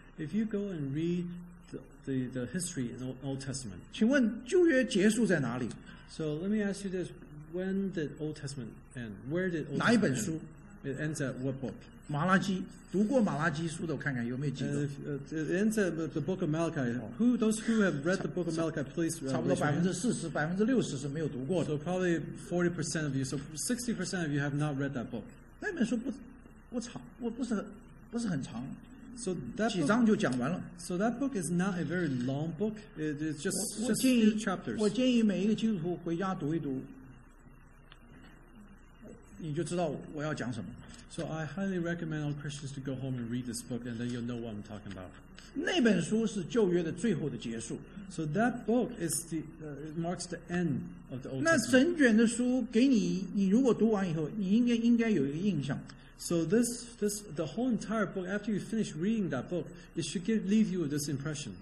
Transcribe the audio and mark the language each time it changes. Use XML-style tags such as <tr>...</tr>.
<en>，If you go and read the history in Old Testament，</en> <zh>请问旧约结束在哪里</zh> <en>？So let me ask you this: When did Old Testament end? Where did Old Testament</en> <zh>哪一本书</zh> <en>？It ends at what book?</en> <zh>马拉基，读过马拉基书的，我看看有没有记得。</zh> <en>It ends at the book of Malachi. Who those who have read the book of Malachi, please.</en> <zh>差不多40%-60%是没有读过的。</zh> <en>So probably 40% of you, so 60% of you have not read that book.</en> <zh>那本书不长，不是很长。</zh> <en>So that book,</en> <zh>几章就讲完了。</zh> <en>So that book is not a very long book. It's just few chapters.</en> <zh>我建议每一个基督徒回家读一读。你就知道我要讲什么。</zh> <en>So I highly recommend all Christians to go home and read this book, and then you'll know what I'm talking about.</en> <zh>那本书是旧约的最后的结束。</zh> <en>So that book is the it marks the end of the Old Testament.</en> <zh>那整卷的书给你，你如果读完以后，你应该有一个印象。</zh> <en>So this the whole entire book after you finish reading that book, it should leave you this impression.</en>